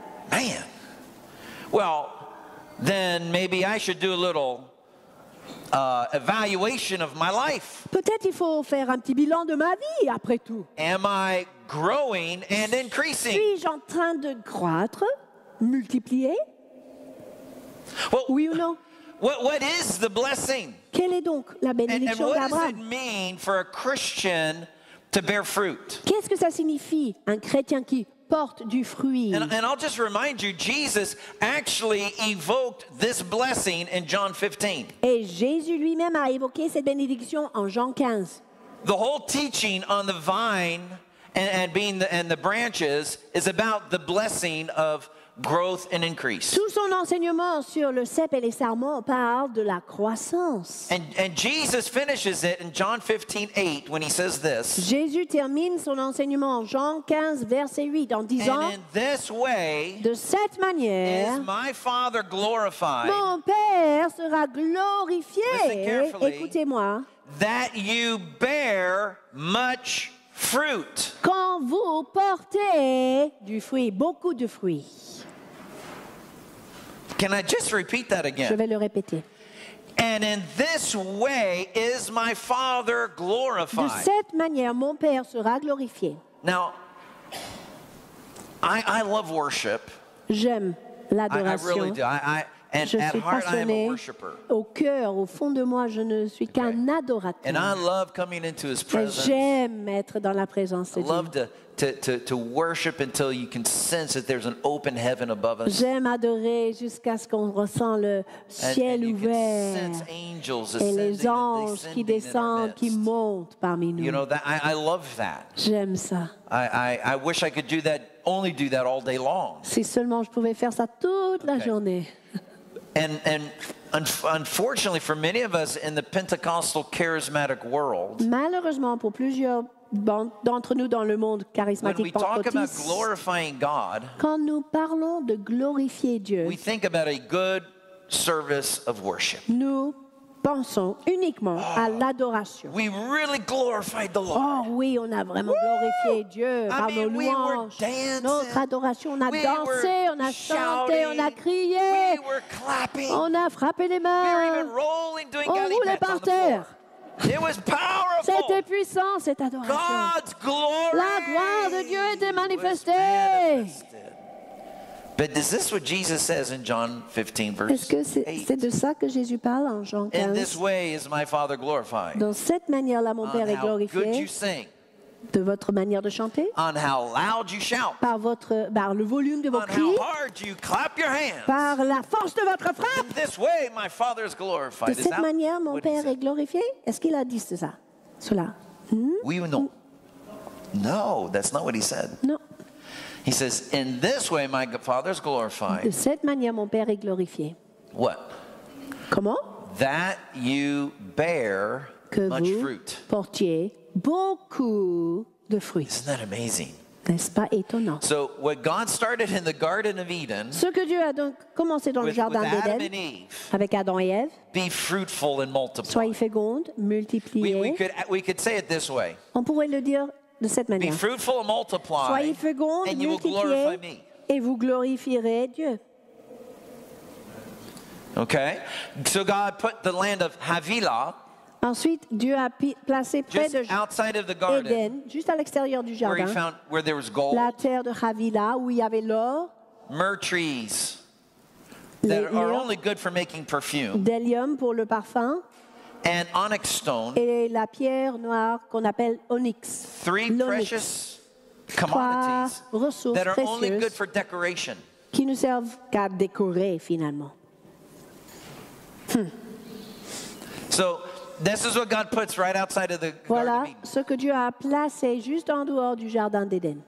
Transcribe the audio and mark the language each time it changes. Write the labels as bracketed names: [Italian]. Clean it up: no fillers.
[English] Man, well, then maybe I should do a little evaluation of my life. [French] Peut-être il faut faire un petit bilan de ma vie après tout. [English] Am I growing and increasing? [French] Suis-je en train de croître? Multiplier? [English] Well, [French] oui ou non? [English] What is the blessing? [French] Quelle est donc la bénédiction d'Abraham? [English] And what does it mean for a Christian to bear fruit? [French] Qu'est-ce que ça signifie un chrétien qui porte du fruit? [English] And I'll just remind you, Jesus actually evoked this blessing in John 15. [French] Et Jésus lui-même a évoqué cette bénédiction en Jean 15. [English] The whole teaching on the vine and the branches is about the blessing of growth and increase. [French] Tout son enseignement sur le cep et les sarments parle de la croissance. [English] And Jesus finishes it in John 15:8 when he says this. [French] Jésus termine son enseignement en Jean 15 verset 8 en disant. [English] And in this way, [French] de cette manière, [English] is my Father glorified. [French] Mon Père sera glorifié. [English] Listen carefully. [French] Écoutez-moi. [English] That you bear much fruit. [French] Quand vous portez du fruit, beaucoup de fruit. [English] Can I just repeat that again? [French] Je vais le répéter. [English] And in this way is my Father glorified. [French] De cette manière, mon Père sera glorifié. [English] Now, I love worship. [French] J'aime l'adoration. [English] I really do. And [French] je suis [English] at heart, [French] passionné. [English] I am a worshiper. [French] Au cœur, au fond de moi, je ne suis qu'un adorateur. [English] And I love coming into His presence. [French] Et j'aime être dans la présence de Dieu. [English] I love to worship until you can sense that there's an open heaven above us. [French] J'aime adorer jusqu'à ce qu'on ressent le ciel ouvert. [English] And you can sense angels [French] ascending. Et les anges qui descendent, qui montent parmi nous. [English] You know that I love that. [French] J'aime ça. [English] I wish I could do that, only do that all day long. [French] Si seulement je pouvais faire ça toute la journée. [English] And unfortunately for many of us in the Pentecostal charismatic world. [French] Malheureusement pour plusieurs d'entre nous dans le monde charismatique [English] when we talk about glorifying God, [French] quand nous parlons de glorifier Dieu, [English] we think about a good service of worship. [French] Nous pensons uniquement à l'adoration. [English] We really glorified the Lord. [French] Oh oui, on a vraiment glorifié Dieu par nos louanges. [English] We were dancing. [French] Notre adoration, on a dansé, on a chanté, [English] shouting. [French] On a crié. [English] We were clapping. [French] On a frappé les mains. [English] We were even rolling, doing [French] on roulait par terre. [English] It was powerful. [French] cette puissance, cette adoration. [English] God's glory. [French] La gloire de Dieu était manifestée. [English] But is this what Jesus says in John 15, verse 8? [French] Est-ce que c'est de ça que Jésus parle en Jean 15? [English] In this way is my Father glorified. [French] Dans cette manière-là, mon Père est glorifié. [English] How good you sing. [French] De votre manière de chanter. [English] On how loud you shout. [French] Par le volume de vos on cris. [English] How hard you clap your hands. [French] Par la force de votre frappe. [English] In this way, my Father is glorified. [French] De cette manière, mon Père est glorifié. Est-ce qu'il a dit ça? Cela. Oui ou non? [English] No, that's not what he said. [French] Non. [English] He says, in this way, my Father is glorified. [French] De cette manière, mon Père est glorifié. [English] What? [French] Comment? [English] That you bear [French] que [English] much fruit. [French] Que vous portiez beaucoup de fruits. [English] Isn't that amazing? [French] N'est-ce pas étonnant? [English] So, what God started in the Garden of Eden, [French] ce que Dieu a donc commencé dans le jardin d'Éden, avec Adam et Ève, [English] be fruitful and multiply. [French] Soyez fécondes, multipliez. [English] We could say it this way. [French] On pourrait le dire de cette manière. [English] Be fruitful and multiply. [French] Soyez fécondes, [English] and you will glorify me. [French] Et vous glorifierez Dieu. [English] Okay? So God put the land of Havilah. [French] Ensuite, Dieu a placé près [English] just outside of the garden, [French] Eden, juste à l'extérieur du jardin, [English] where he found where there was gold, [French] la terre de Havilah où il y avait l'or, [English] myrrh trees that are only good for making perfume, [French] d'hélium pour le parfum, [English] and onyx stone, [French] et la pierre noire qu'on appelle onyx, [English] three precious commodities that are only good for decoration, [French] qui ne servent qu'à décorer finalement. [English] So this is what God puts right outside of the garden. [French] Voilà ce que Dieu a placé juste en dehors du jardin d'Éden.